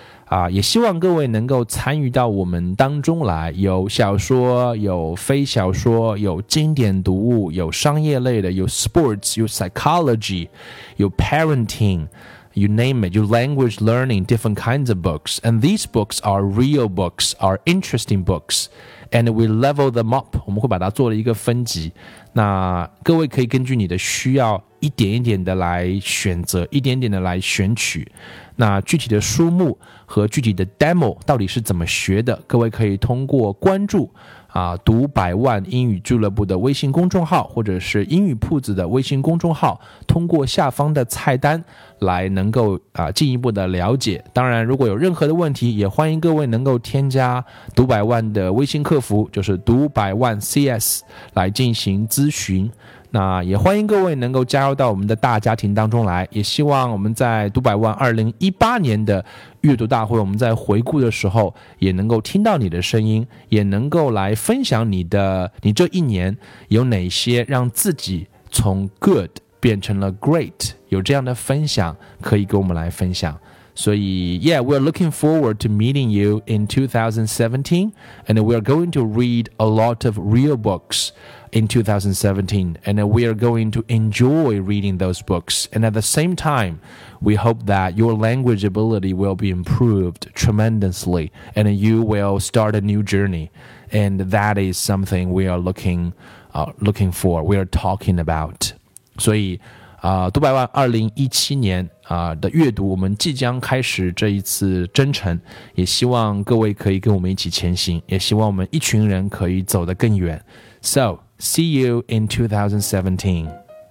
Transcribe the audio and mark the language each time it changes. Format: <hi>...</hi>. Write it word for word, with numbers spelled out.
<zh>啊、也希望各位能够参与到我们当中来，有小说，有非小说，有经典读物，有商业类的，有 sports， 有 psychology， 有 parenting，</zh> <en>You name it, you language learning, different kinds of books. And these books are real books, are interesting books. And we level them up.</en> <zh>我们会把它做了一个分级。那各位可以根据你的需要一点一点的来选择，一点点的来选取。那具体的书目和具体的 demo 到底是怎么学的，各位可以通过关注啊，读百万英语俱乐部的微信公众号，或者是英语铺子的微信公众号，通过下方的菜单来能够啊进一步的了解。当然，如果有任何的问题，也欢迎各位能够添加读百万的微信客服，就是读百万 C S 来进行咨询。那也欢迎各位能够加入到我们的大家庭当中来，也希望我们在读百万二零一八年的阅读大会，我们在回顾的时候也能够听到你的声音，也能够来分享你的你这一年有哪些让自己从 good 变成了 great， 有这样的分享可以跟我们来分享。</zh> <en>所以 yeah, we're looking forward to meeting you in two thousand seventeen, and we're going to read a lot of real books in two thousand seventeen, and we are going to enjoy reading those books. And at the same time, we hope that your language ability will be improved tremendously, and you will start a new journey. And that is something we are looking, uh, looking for. We are talking about.</en> <zh>所以啊，读百万二零一七年啊的阅读，我们即将开始这一次征程，也希望各位可以跟我们一起前行，也希望我们一群人可以走得更远。</zh> <en>So see you in two thousand seventeen.</en>